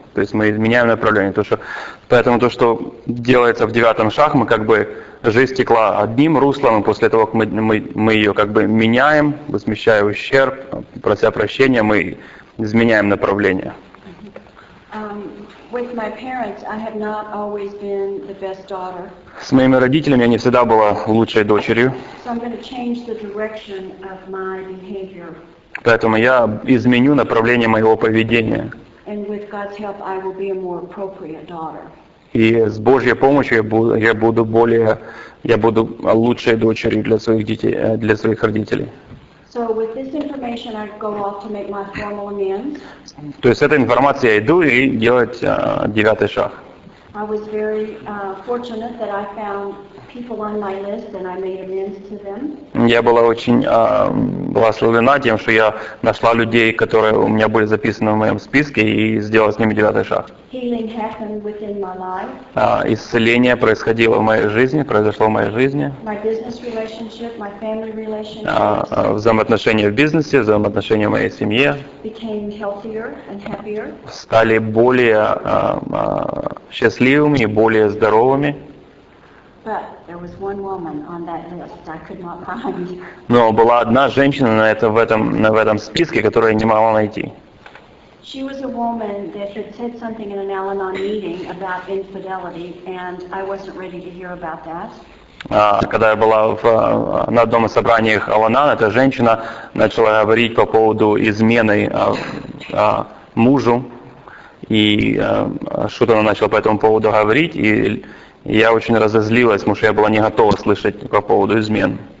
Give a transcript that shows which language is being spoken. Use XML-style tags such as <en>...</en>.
<ru>То есть мы меняем направление. Поэтому то, что делается в 9-м шаге, мы как бы жизнь текла одним руслом, и после того, как мы ее как бы меняем, возмещая ущерб, прося прощения, мы изменяем направление.</ru> <en>With my parents, I have not always been the best daughter.</en> <ru>С моими родителями я не всегда была лучшей дочерью.</ru> <en>So I'm going to change the direction of my behavior.</en> <ru>Поэтому я изменю направление моего поведения.</ru> <en>And with God's help, I will be a more appropriate daughter.</en> <ru>И с Божьей помощью я буду лучшей дочерью для своих детей, для своих родителей.</ru> <en>So with this information, I go off to make my formal amends.</en> <ru>То есть с этой информацией я иду и делать 9-й шаг.</ru> <en>I was very fortunate that I found people on my list and I made amends to them.</en> <ru>Я была очень благословлена тем, что я нашла людей, которые у меня были записаны в моем списке, и сделала с ними девятый шаг.</ru> <en>Healing happened within my life.</en> <ru>Исцеление происходило в моей жизни, произошло в моей жизни.</ru> <en>My business relationship, my family relationships.</en> <ru>Взаимоотношения в бизнесе, взаимоотношения в моей семье.</ru> <en>Became healthier and happier.</en> <ru>Стали более счастливыми и более здоровыми.</ru> <en>But there was one woman on that list I could not find.</en> <ru>Но была одна женщина в этом списке, которую я не могла найти.</ru> <en>She was a woman that had said something in an Al-Anon meeting about infidelity, and I wasn't ready to hear about that.</en> <ru>Когда я была на одном из собраний Al-Anon, эта женщина начала говорить по поводу измены мужу, и что-то она начала по этому поводу говорить, и я очень разозлилась, потому что я была не готова слышать по поводу измен.</ru>